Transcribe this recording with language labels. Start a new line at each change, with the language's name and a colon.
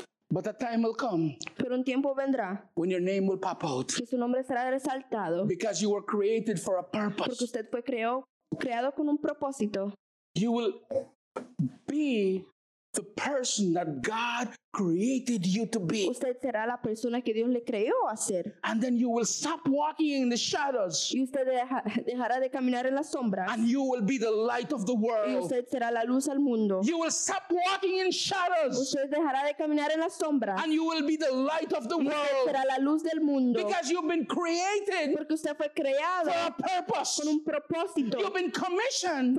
English: But a time will come.
Spanish: Pero un tiempo vendrá.
English: When your name will pop out.
Spanish: Que su nombre será resaltado.
English: Because you were created for a purpose.
Spanish: Porque usted fue creado con un propósito.
English: You will be the person that God created you to be.
Spanish: Usted será la persona que Dios le creó a ser.
English: And then you will stop walking in the shadows.
Spanish: Y usted dejará de caminar en las sombras.
English: And you will be the light of the world.
Spanish: Y usted será la luz al mundo.
English: You will stop walking in shadows.
Spanish: Usted dejará de caminar en las sombras.
English: And you will be the light of the world.
Spanish: Y usted será la luz del mundo.
English: Because you've been created.
Spanish: Porque usted fue creado.
English: For a purpose.
Spanish: Con un propósito.
English: You've been commissioned.